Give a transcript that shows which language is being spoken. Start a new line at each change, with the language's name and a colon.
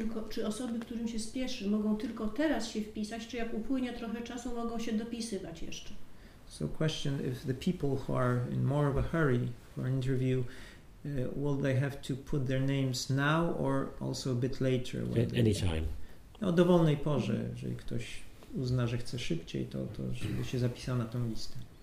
Polish: Czy osoby, którym się spieszy, mogą tylko teraz się wpisać, czy jak upłynie trochę czasu, mogą się dopisywać jeszcze?
English: So question, if the people who are in more of a hurry for an interview, will they have to put their names now or also a bit later? At any time.
Polish: No, dowolnej porze, jeżeli ktoś uzna, że chce szybciej, to żeby się zapisał na tą listę.